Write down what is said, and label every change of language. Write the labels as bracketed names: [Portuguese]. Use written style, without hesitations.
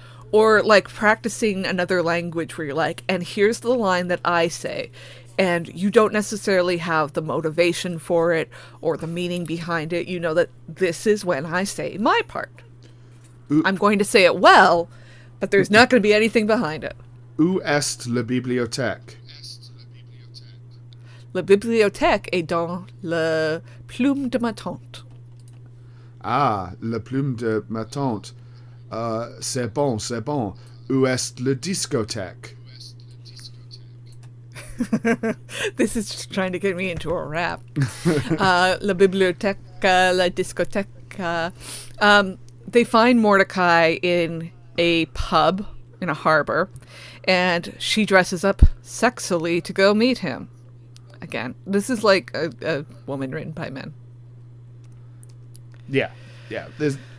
[English] Or like practicing another language where you're like, and here's the line that I say, and you don't necessarily have the motivation for it or the meaning behind it. You know that this is when I say my part. Ooh. I'm going to say it well, but there's not going to be anything behind it. [French] Où est la bibliothèque? La bibliothèque est dans la plume de ma tante. Ah, la plume de ma tante. C'est bon, c'est bon. Où est la discothèque? [English] This is just trying to get me into a rap. [French] La bibliothèque, la discothèque. [English] They find Mordecai in a pub in a harbor, and she dresses up sexily to go meet him. Again, this is like a woman written by men. Yeah, yeah. There's...